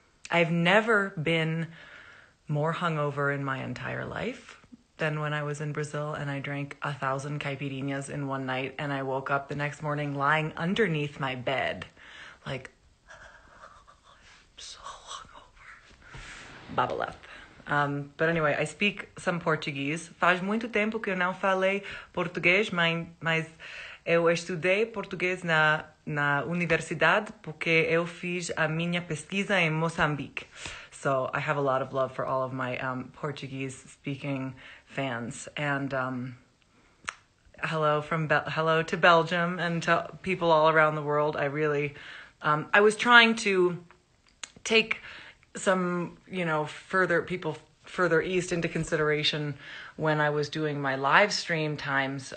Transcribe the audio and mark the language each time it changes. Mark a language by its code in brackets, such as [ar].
[en] I've never been more hungover in my entire life than when I was in Brazil, and I drank 1,000 caipirinhas in one night, and I woke up the next morning lying underneath my bed, like, I'm so hungover. Babalef. But anyway, I speak some Portuguese. [pt] Faz muito tempo que eu não falei português, mas eu estudei português na universidade porque eu fiz a minha pesquisa em Moçambique. [en] So I have a lot of love for all of my Portuguese-speaking fans. And hello to Belgium and to people all around the world. I really, I was trying to take some, you know, further east into consideration when I was doing my live stream times.